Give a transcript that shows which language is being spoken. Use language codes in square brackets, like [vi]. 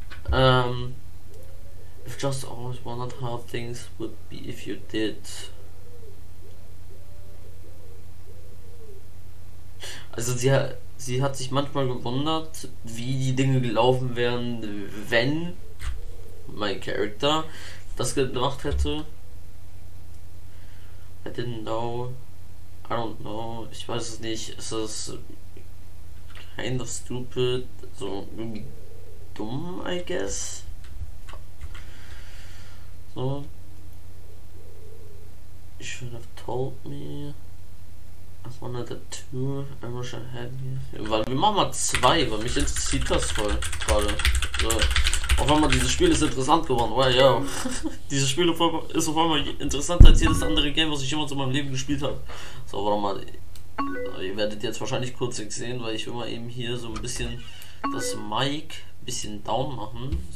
[en] I've just always wondered how things would be if you did. [de] Also sie hat sich manchmal gewundert, wie die Dinge gelaufen wären, wenn mein Charakter das gemacht hätte. [en] I didn't know. I don't know. [de] Ich weiß es nicht. Es ist [en] kind of stupid. [de] So irgendwie dumm, [en] I guess. So. You should have told me. I wanted a two, I wish I had you. [de] Weil wir machen mal 2, weil mich interessiert das voll gerade. So. Auf einmal dieses Spiel ist interessant geworden, weil ja. Dieses Spiel ist auf einmal interessanter als jedes andere Game, was ich jemals in meinem Leben gespielt habe. So, warte mal. Ihr werdet jetzt wahrscheinlich kurz sehen, weil ich will mal eben hier so ein bisschen das Mic ein bisschen down machen.